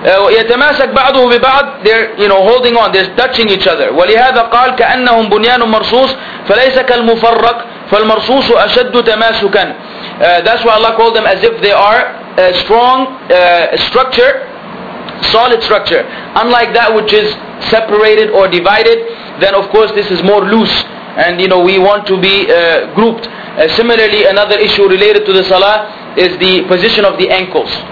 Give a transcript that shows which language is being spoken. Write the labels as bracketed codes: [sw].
[ar] يتماسك بعضه ببعض, [en] they're you know holding on, they're touching each other. [ar] ولهذا قال كأنهم بنيان مرصوص فليس كالمفرق فالمرصوص أشد تماسكا. [en] That's why Allah called them as if they are a strong structure, solid structure. Unlike that which is separated or divided, then of course this is more loose, and you know we want to be grouped. Similarly, another issue related to the salah is the position of the ankles.